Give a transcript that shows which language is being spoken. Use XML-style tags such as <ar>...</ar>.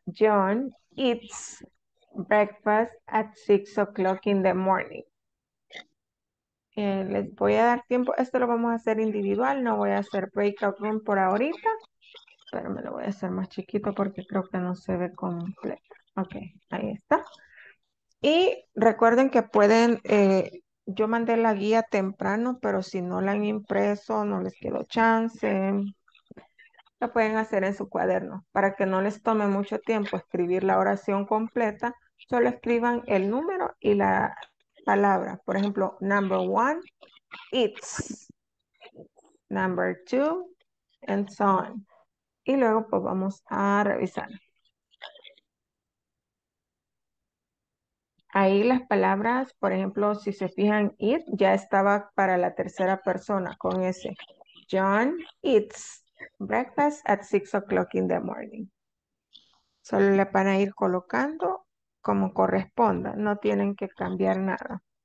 <en>John eats breakfast at 6 o'clock in the morning.</en> <es>Les voy a dar tiempo. Esto lo vamos a hacer individual. No voy a hacer breakout room por ahorita, pero me lo voy a hacer más chiquito porque creo que no se ve completo. Ok, ahí está. Y recuerden que pueden, yo mandé la guía temprano, pero si no la han impreso, no les quedó chance. Lo pueden hacer en su cuaderno para que no les tome mucho tiempo escribir la oración completa. Solo escriban el número y la palabra. Por ejemplo,</es> <en>number one, it's. Number two, and so on.</en> <es>Y luego, pues vamos a revisar. Ahí las palabras, por ejemplo, si se fijan, it ya estaba para la tercera persona con ese.</es> <en>John eats breakfast at 6 o'clock in the morning.</en> <es>Solo le van a ir colocando como corresponda, no tienen que cambiar nada.</es>